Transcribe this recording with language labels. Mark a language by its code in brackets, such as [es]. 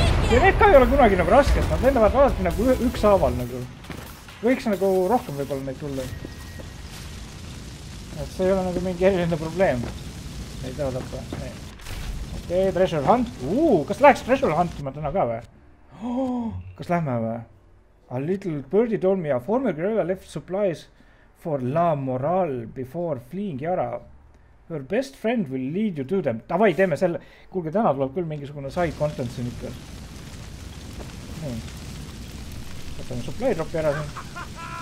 [et] Ja need ka ei ole kunagi nagu raskes, nad lennavad alati nagu üks aaval nagu. Võiks nagu rohkem võibolla neid tulla. Et see ei ole nagu mingi eriline probleem. Ei tea tappa, ei. Okei, treasure hunt. Kas läheks treasure huntima täna ka või? Kas lähme või? [en] A little birdie told me a former gorilla left supplies for La Morale before fleeing Yara. Your best friend will lead you to them. [et] Tavai, teeme selle. Kuulge, täna tuleb küll mingisugune side content siin ikka. Võtame supply dropi ära siin.